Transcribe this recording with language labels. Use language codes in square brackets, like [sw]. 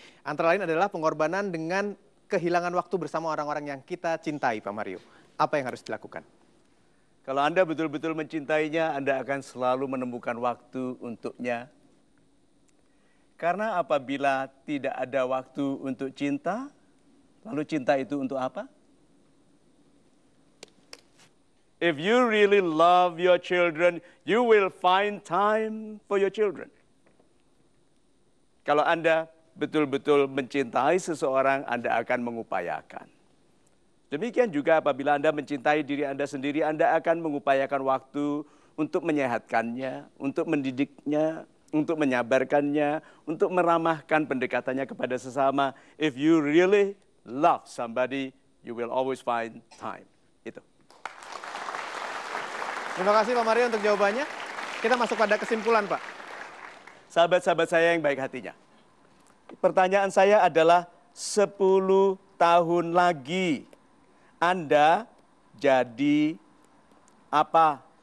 [id] Antara lain adalah pengorbanan dengan kehilangan waktu bersama orang-orang yang kita cintai, Pak Mario. Apa yang harus dilakukan? Kalau Anda betul-betul mencintainya, Anda akan selalu menemukan waktu untuknya. Karena apabila tidak ada waktu untuk cinta, lalu cinta itu untuk apa? [en] If you really love your children, you will find time for your children. [id] Kalau Anda betul-betul mencintai seseorang, Anda akan mengupayakan. Demikian juga apabila Anda mencintai diri Anda sendiri, Anda akan mengupayakan waktu untuk menyehatkannya, untuk mendidiknya, untuk menyabarkannya, untuk meramahkan pendekatannya kepada sesama. [en] If you really love somebody, you will always find time. [id] Itu. Terima kasih Pak Mario untuk jawabannya. Kita masuk pada kesimpulan, Pak. Sahabat-sahabat saya yang baik hatinya. Pertanyaan saya adalah 10 tahun lagi Anda jadi apa?